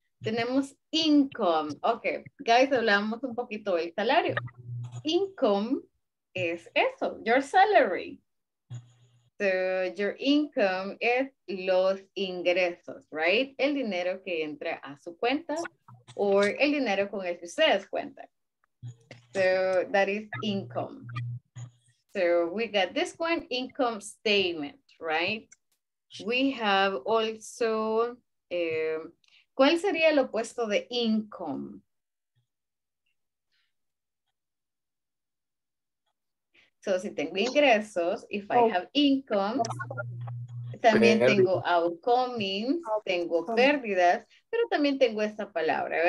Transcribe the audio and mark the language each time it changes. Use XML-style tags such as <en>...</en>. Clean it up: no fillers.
<es>Tenemos income, ok, guys, hablamos un poquito del salario. Income es eso,</es> <en>your salary. So your income is</en> <es>los ingresos,</es> <en>right?</en> <es>El dinero que entra a su cuenta or el dinero con el que ustedes cuentan.</es> <en>So that is income. So we got this one, income statement, right? We have also,</en> <es>¿cuál sería el opuesto de income? So, si tengo ingresos,</es> <en>if I have income,</en> <es>también tengo outcomings, tengo pérdidas, pero también tengo esta palabra.</es>